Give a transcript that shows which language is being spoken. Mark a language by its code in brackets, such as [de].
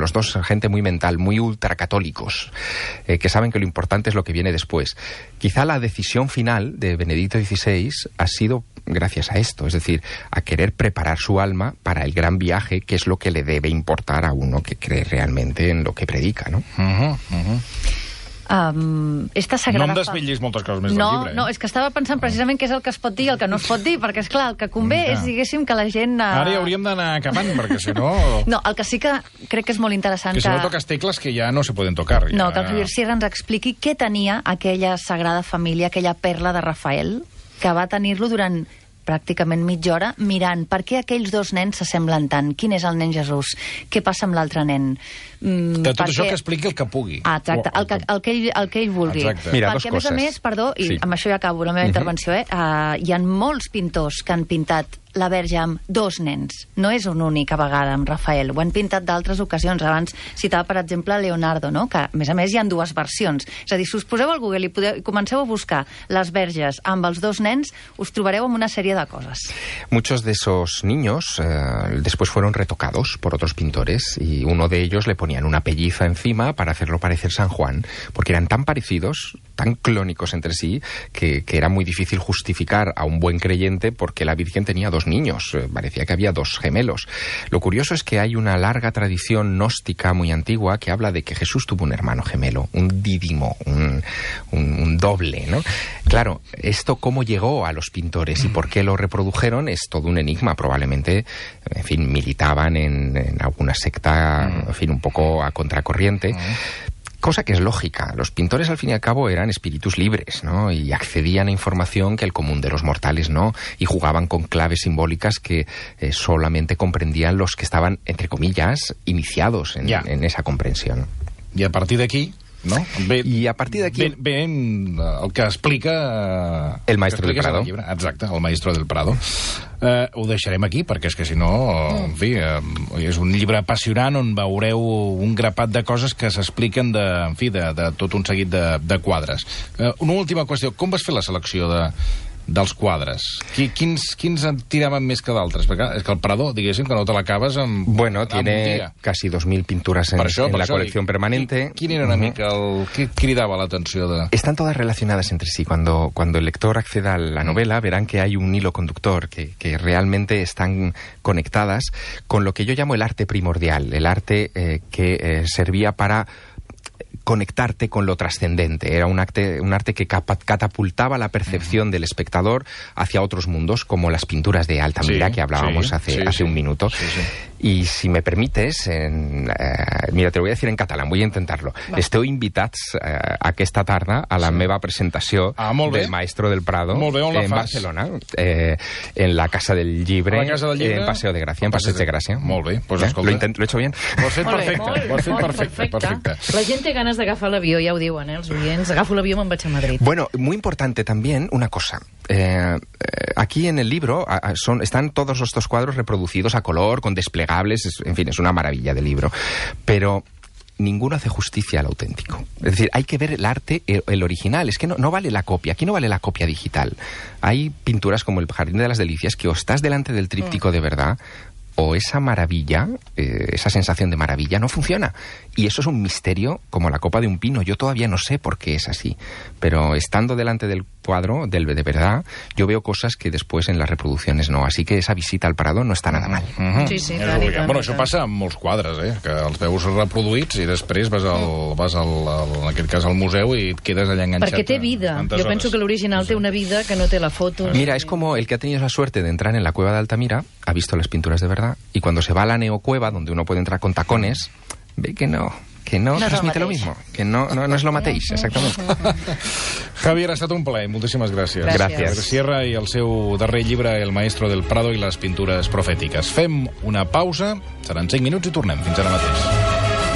[es] Los dos son gente muy mental, muy ultracatólicos, que saben que lo importante es lo que viene después. Quizá la decisión final de Benedicto XVI ha sido gracias a esto, es decir, a querer preparar su alma para el gran viaje, que es lo que le debe importar a uno que cree realmente en lo que predica, ¿no? Esta sagrada... [ca] No em desvetllis moltes coses més no, del llibre. No, és que estava pensant precisament què és el que es pot dir i el que no es pot dir, perquè, és clar, el que convé és, diguéssim, que la gent... Ara ja hauríem d'anar acabant, perquè si no... No, el que sí que crec que és molt interessant... Que si no toques tecles que ja no se poden tocar. No, que el Javier Sierra ens expliqui què tenia aquella Sagrada Família, aquella perla de Rafael, que va tenir-lo durant pràcticament mitja hora, mirant per què aquells dos nens s'assemblen tant. Quin és el nen Jesús? Què passa amb l'altre nen? De tot perquè... això que expliqui el que pugui. Ah, exacte, el que ell vulgui. Mira, perquè, a més a més, perdó, i sí, amb això ja acabo la meva intervenció, hi ha molts pintors que han pintat la Verge amb dos nens. No és una única vegada amb Rafael. Ho han pintat d'altres ocasions. Abans citava, per exemple, Leonardo, no? Que, a més, hi ha dues versions. És a dir, si us poseu al Google i podeu, comenceu a buscar les verges amb els dos nens, us trobareu amb una sèrie de coses. [es] Muchos de esos niños después fueron retocados por otros pintores y uno de ellos le ponían una pelliza encima para hacerlo parecer San Juan, porque eran tan parecidos, tan clónicos entre sí, que era muy difícil justificar a un buen creyente porque la Virgen tenía dos niños, parecía que había dos gemelos. Lo curioso es que hay una larga tradición gnóstica muy antigua que habla de que Jesús tuvo un hermano gemelo, un dídimo, un doble, ¿no? Claro, esto cómo llegó a los pintores y por qué lo reprodujeron es todo un enigma. Probablemente, en fin, militaban en alguna secta, en fin, un poco a contracorriente. Cosa que es lógica. Los pintores, al fin y al cabo, eran espíritus libres, ¿no? Y accedían a información que el común de los mortales no, y jugaban con claves simbólicas que solamente comprendían los que estaban, entre comillas, iniciados en esa comprensión. Y a partir de aquí, ¿no? Ven [ca] el que explica... [es] El maestro del Prado. [ca] Exacte, el maestro del Prado. Ho deixarem aquí, perquè és que si no, en fi, és un llibre apassionant on veureu un grapat de coses que s'expliquen de tot un seguit de quadres. Una última qüestió, com vas fer la selecció dels quadres? Quins et tiraven més que d'altres? Perquè és que el Prado, diguéssim, que no te l'acabes amb... [es] Bueno, tiene casi 2.000 pintures en la col·lecció permanente. [ca] Quin era una mica el... Què cridava l'atenció de... [es] Están todas relacionadas entre sí. Cuando el lector acceda a la novela, verán que hay un hilo conductor, que realmente están conectadas con lo que yo llamo el arte primordial, el arte servía para conectarte con lo trascendente. Era un arte que catapultaba la percepción del espectador hacia otros mundos, como las pinturas de Altamira, que hablábamos hace un minuto. Y si me permites, mira, te lo voy a decir en catalán, voy a intentarlo. [ca] Va. Esteu invitats a aquesta tarda a la meva presentació del Maestro del Prado en Barcelona, en la Casa del Llibre, en Paseo de Gràcia. Molt bé. Pues [es] lo he hecho bien. [ca] Perfecte. La gent té ganes d'agafar l'avió, ja ho diuen, els oients. Agafo l'avió, me'n vaig a Madrid. [es] Bueno, muy importante también una cosa. Aquí en el libro están todos estos cuadros reproducidos a color, con desplegables, en fin, es una maravilla de libro. Pero ninguno hace justicia al auténtico. Es decir, hay que ver el arte, el original. Es que no vale la copia. Aquí no vale la copia digital. Hay pinturas como el Jardín de las Delicias que o estás delante del tríptico de verdad, o esa maravilla, esa sensación de maravilla, no funciona. Y eso es un misterio como la copa de un pino. Yo todavía no sé por qué es así. Pero estando delante del cuadro, de verdad, yo veo cosas que después en las reproducciones no. Así que esa visita al Prado no está nada mal. [ca] Sí, sí, clar. Bueno, això passa amb molts quadres, que els veus reproduïts i després vas al, en aquest cas, al museu i et quedes allà enganxat. Perquè té vida. Jo penso que l'original té una vida que no té la foto. Mira, és com [es] el que ha tenido la suerte de entrar en la cueva d'Altamira, ha visto las pinturas de verdad, y cuando se va a la neocueva, donde uno puede entrar con tacones, ve que no transmite lo mismo, que no es [ca] lo mateix, exactament. Javier, ha estat un plaer, moltíssimes gràcies. Gràcies. Sierra i el seu darrer llibre, El maestro del Prado y las pinturas proféticas. Fem una pausa, seran 5 minuts i tornem fins ara mateix.